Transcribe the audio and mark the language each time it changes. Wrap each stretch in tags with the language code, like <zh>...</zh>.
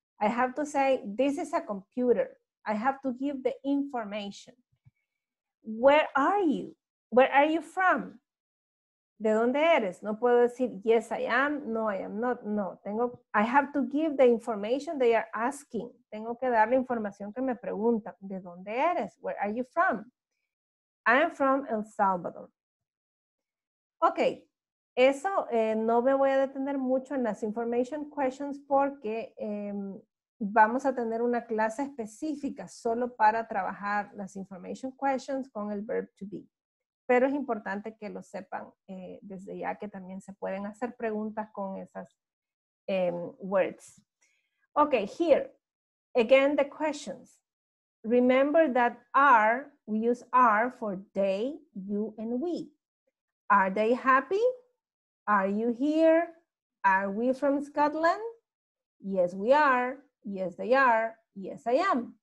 <en>I have to say, this is a computer. I have to give the information. Where are you? Where are you from?</en> <es>¿De dónde eres? No puedo decir,</es> <en>yes, I am. No, I am not.</en> <es>No, tengo,</es> <en>I have to give the information they are asking.</en> <es>Tengo que dar la información que me preguntan. ¿De dónde eres?</es> <en>Where are you from? I am from El Salvador.</en> <es>Ok, eso no me voy a detener mucho en las information questions porque vamos a tener una clase específica solo para trabajar las information questions con el verb to be. Pero es importante que lo sepan desde ya que también se pueden hacer preguntas con esas words.</es> <en>Ok, here, again the questions. Remember that are, we use are for they, you and we. Are they happy? Are you here? Are we from Scotland? Yes, we are. Yes, they are. Yes, I am.</en>